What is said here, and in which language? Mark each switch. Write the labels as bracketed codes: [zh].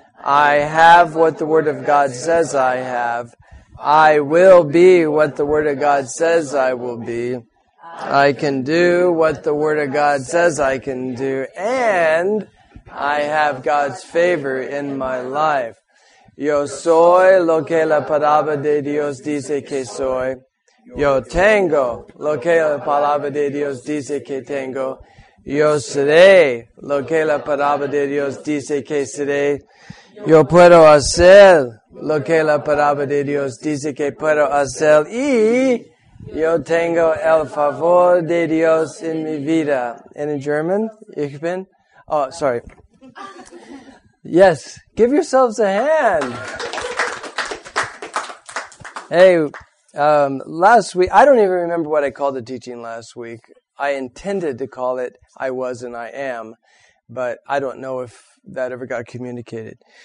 [en] I have what the Word of God says I have. I will be what the Word of God says I will be. I can do what the Word of God says I can do, and I have God's favor in my life. [es] Yo soy lo que la palabra de Dios dice que soy. Yo tengo lo que la palabra de Dios dice que tengo. Yo seré lo que la palabra de Dios dice que seré. Yo puedo hacer lo que la palabra de Dios dice que puedo hacer. Y yo tengo el favor de Dios en mi vida. [en] And in German, [de] ich bin. [en] Oh, sorry. Yes, give yourselves a hand. Hey, last week, I don't even remember what I called the teaching last week. I intended to call it I Was and I Am, but I don't know if that ever got communicated.